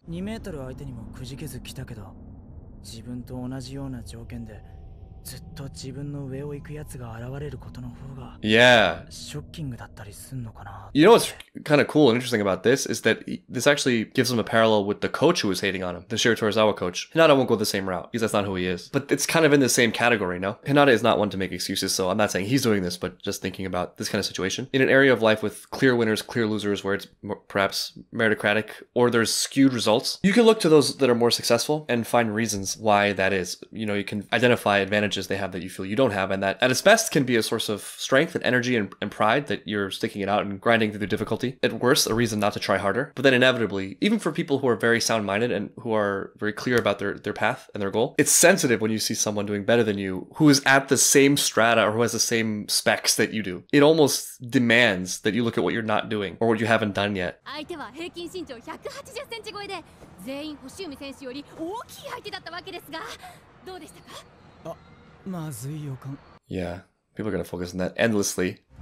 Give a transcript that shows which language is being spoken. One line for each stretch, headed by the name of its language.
English: 2 meter
Japanese: 相手にもくじけず来たけど、自分と同じような条件でずっと自分の上を行くやつが現れることの方が、yeah. ショッキングだったりすんのかな。
English: You know what's kind of cool and interesting about this is that this actually gives him a parallel with the coach who was hating on him, the Shiro Torizawa coach. Hinata won't go the same route because that's not who he is. But it's kind of in the same category, no? Hinata is not one to make excuses, so I'm not saying he's doing this, but just thinking about this kind of situation. In an area of life with clear winners, clear losers, where it's perhaps meritocratic or there's skewed results, you can look to those that are more successful and find reasons why that is. You know, you can identify advantages they have that you feel you don't have, and that at its best can be a source of strength and energy and pride that you're sticking it out and grinding through the difficulty. At worst, a reason not to try harder. But then inevitably, even for people who are very sound-minded and who are very clear about their path and their goal, it's sensitive when you see someone doing better than you who is at the same strata or who has the same specs that you do. It almost demands that you look at what you're not doing or what you haven't done yet.
Japanese: 相手は平均身長180センチ超えで、全員星海選手より大きい相手だったわけですが、どうでしたか？
English: Yeah, people are gonna focus on that endlessly.